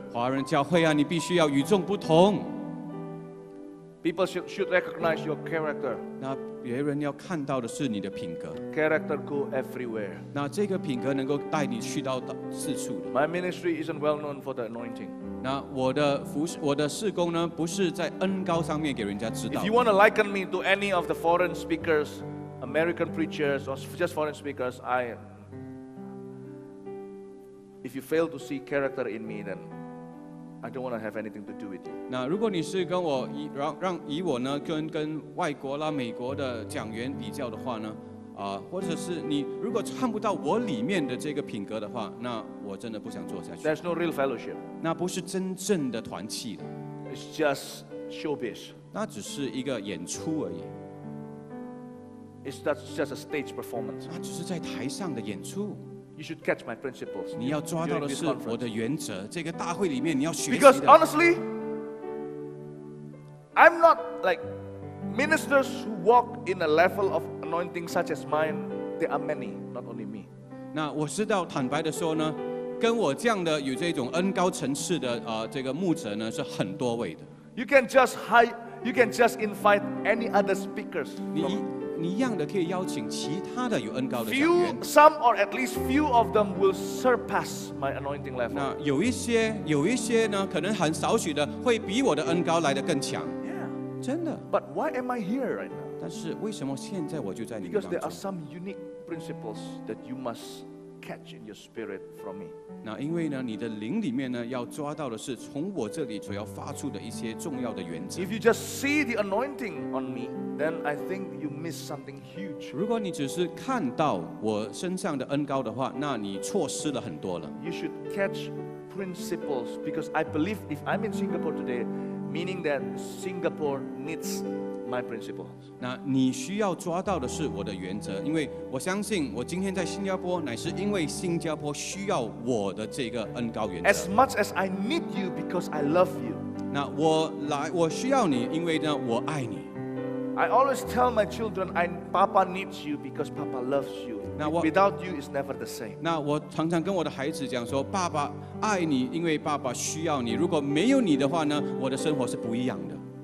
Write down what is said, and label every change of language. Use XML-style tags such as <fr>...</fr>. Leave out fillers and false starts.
<zh>华人教会啊，你必须要与众不同。</zh> <en>People should recognize your character.</en> <zh>那别人要看到的是你的品格。</zh> <en>Character go everywhere.</en> <zh>那这个品格能够带你去到四处的。</zh> <en>My ministry isn't well known for the anointing.</en> <zh>那我的事工呢，不是在恩膏上面给人家知道。</zh> <en>If you want to liken me to any of the foreign speakers, American preachers, or just foreign speakers, if you fail to see character in me, then. I don't want to have anything to do with you.</en> <zh>那如果你是跟我以我呢跟外国啦美国的讲员比较的话呢，或者是你如果看不到我里面的这个品格的话，那我真的不想做下去。</zh> <en>There's no real fellowship.</en> <zh>那不是真正的团契的。</zh> <en>It's just showbiz.</en> <zh>那只是一个演出而已。</zh> <en>That's just a stage performance.</en> <zh>那只是在台上的演出。</zh> <en>You should catch my principles.</en> <zh>你要抓到的是我的原则。这个大会里面你要学习的。</zh> <en>Because honestly, I'm not like ministers who walk in a level of anointing such as mine. There are many, not only me.</en> <zh>那我知道，坦白的说呢，跟我这样的有这种恩高层次的这个牧者呢是很多位的。</zh> <en>You can just invite any other speakers.</en> <zh>你一样的可以邀请其他的有恩膏的讲员。</zh> <en>Some or at least few of them will surpass my anointing level.</en> <zh>那有一些呢，可能很少许的会比我的恩膏来得更强。</zh> <en>Yeah.</en> <zh>真的。</zh> <en>But why am I here right now?</en> <zh>但是为什么现在我就在你们当中？</zh> <en>Because there are some unique principles that you must catch in your spirit from me.</en> <zh>那因为呢，你的灵里面呢，要抓到的是从我这里所要发出的一些重要的原则。</zh> <en>If you just see the anointing on me, then I think you miss something huge.</en> <zh>如果你只是看到我身上的恩膏的话，那你错失了很多了。</zh> <en>You should catch principles because I believe if I'm in Singapore today, meaning that Singapore needs. My principles.</en> <zh>那你需要抓到的是我的原则，因为我相信我今天在新加坡，乃是因为新加坡需要我的这个恩膏原则。</zh> <en>As much as I need you because I love you.</en> <zh>那我需要你，因为呢我爱你。</zh> <en>I always tell my children, Papa needs you because Papa loves you. Without you, it's never the same.</en> <zh>那我常常跟我的孩子讲说，爸爸爱你，因为爸爸需要你。如果没有你的话呢，我的生活是不一样的。</zh>